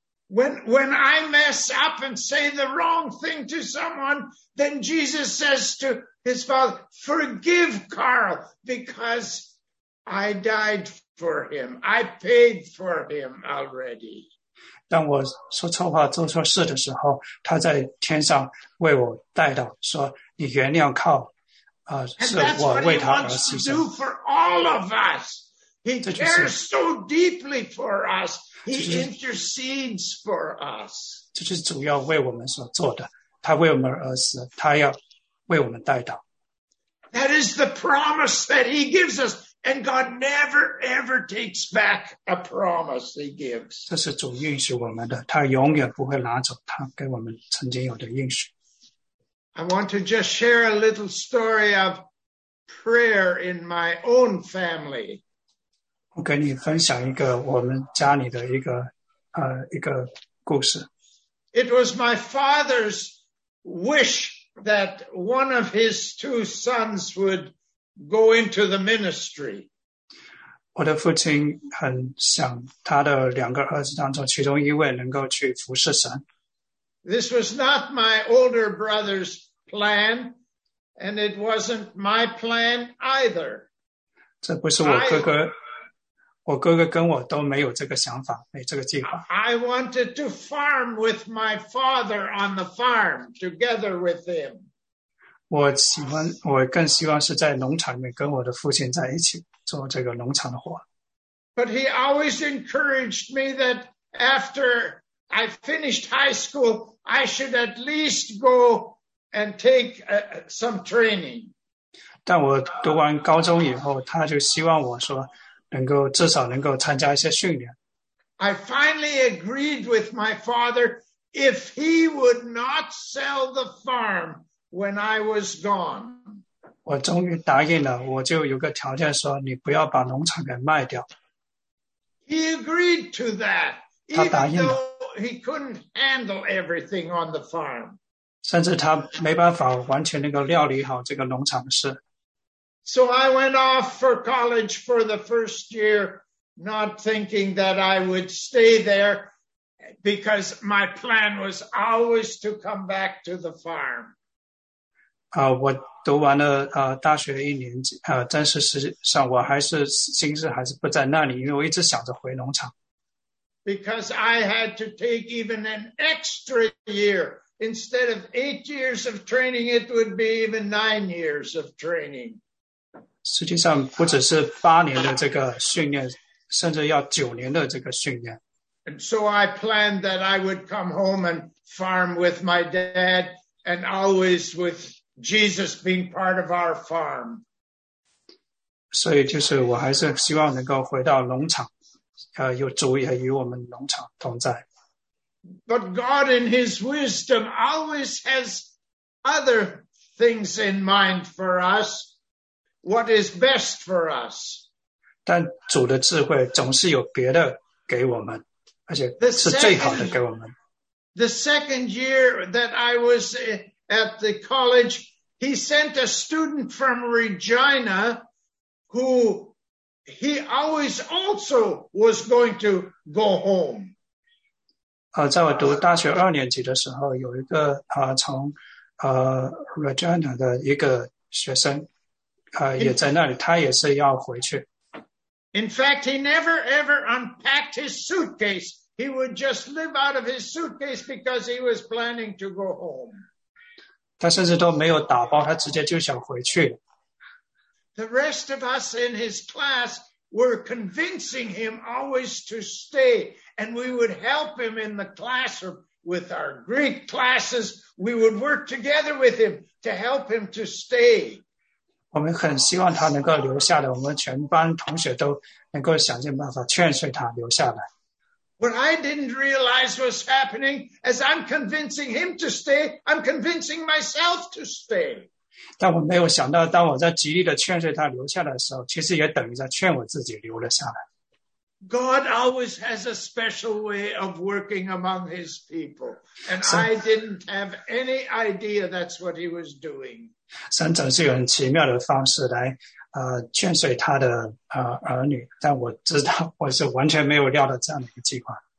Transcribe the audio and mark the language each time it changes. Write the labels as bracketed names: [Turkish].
[English] When I mess up and say the wrong thing to someone, then Jesus says to his father, forgive Carl, because I died for him. I paid for him already. [Chinese] 当我说错话做错事的时候，他在天上为我代祷，说你原谅靠，是我为他而牺牲。 [English] And that's what he wants to do for all of us. He cares so deeply for us. He intercedes for us. [Chinese] 这就是主要为我们所做的。他为我们而死，他要为我们代祷。 [English] That is the promise that he gives us, and God never ever takes back a promise he gives. [Chinese] 这是主应许我们的，他永远不会拿走他给我们曾经有的应许。 [English] I want to just share a little story of prayer in my own family. [Chinese] 我跟你分享一个我们家里的一个故事。 [English] It was my father's wish that one of his two sons would go into the ministry. [Chinese] 我的父亲很想他的两个儿子当中其中一位能够去服侍神。 [English] This was not my older brother's plan, and it wasn't my plan either. [Chinese] 这不是我哥哥。我哥哥跟我都没有这个想法，没这个计划。 [English] I wanted to farm with my father on the farm together with him. [Chinese] 我更希望是在农场里面跟我的父亲在一起做这个农场的活。 [English] But he always encouraged me that after I finished high school, I should at least go and take some training. [Chinese] 但我读完高中以后，他就希望我说能够至少能够参加一些训练。 [English] I finally agreed with my father if he would not sell the farm when I was gone. [Chinese] 我终于答应了，我就有个条件说你不要把农场给卖掉。 [English] He agreed to that. [Chinese] 他答应了。 [English] Even though he couldn't handle everything on the farm. [Chinese] 甚至他没办法完全能够料理好这个农场的事。 [English] So I went off for college for the first year, not thinking that I would stay there, because my plan was always to come back to the farm. [Chinese] 我读完了大学一年级但是实际上我还是心思还是不在那里，因为我一直想着回农场。 [English] Because I had to take even an extra year. Instead of 8 years of training, it would be even 9 years of training. [Chinese] 实际上不只是八年的这个训练，甚至要九年的这个训练。 [English] And so I planned that I would come home and farm with my dad and always with Jesus being part of our farm. [Chinese] 所以就是我还是希望能够回到农场。有主也与我们农场同在。 [English] But God in His wisdom always has other things in mind for us, what is best for us. [Chinese] 但主的智慧总是有别的给我们，而且是最好的给我们。 [English] The second year that I was at the college, He sent a student from Regina who. He always also was going to go home. [Chinese] 在我读大学二年级的时候，有一个从Regina 的一个学生也在那里，他也是要回去。 [English] In fact, he never ever unpacked his suitcase. He would just live out of his suitcase because he was planning to go home. [Chinese] 他甚至都没有打包，他直接就想回去。 [English] The rest of us in his class were convincing him always to stay, and we would help him in the classroom with our Greek classes. We would work together with him to help him to stay. [Chinese] 我们很希望他能够留下来，我们全班同学都能够想尽办法劝说他留下来。 [English] What I didn't realize was happening, as I'm convincing him to stay, I'm convincing myself to stay. [Chinese] 但我没有想到，当我在极力的劝说他留下的时候，其实也等于在劝我自己留了下来。 [English] God always has a special way of working among His people, and I didn't have any idea that's what He was doing. [Chinese] 神总是有很奇妙的方式来劝说他的儿女，但我知道我是完全没有料到这样的一个计划。